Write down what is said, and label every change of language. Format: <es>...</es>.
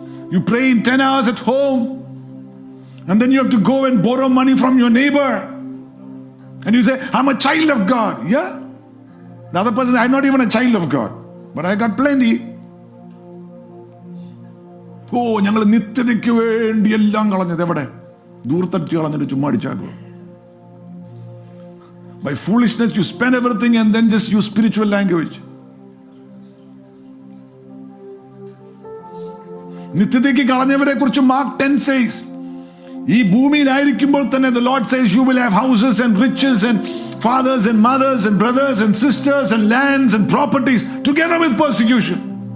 <en>You pray in 10 hours at home. And then you have to go and borrow money from your neighbor. And you say, I'm a child of God. Yeah? The other person, I'm not even a child of God. But I got plenty.</en> <ml>Oh, ഞങ്ങൾ നിത്യതയ്ക്ക് വേണ്ടി എല്ലാം കളഞ്ഞത് എവിടെ? ദൂർത്തടിച്ച് കളഞ്ഞിട്ട് ചുമ്മാ അടിച്ചാക്കുക.</ml> <en>By foolishness, you spend everything and then just use spiritual language.</en> <ml>നിത്യതയ്ക്ക് കളഞ്ഞവരെ കുറിച്ച് mark 10</ml> <en>says,</en> <ml>ഈ ഭൂമിയിലായിരിക്കുമ്പോൾ തന്നെ</ml> <en>the Lord says, you will have houses and riches and fathers and mothers and brothers and sisters and lands and properties together with persecution.</en>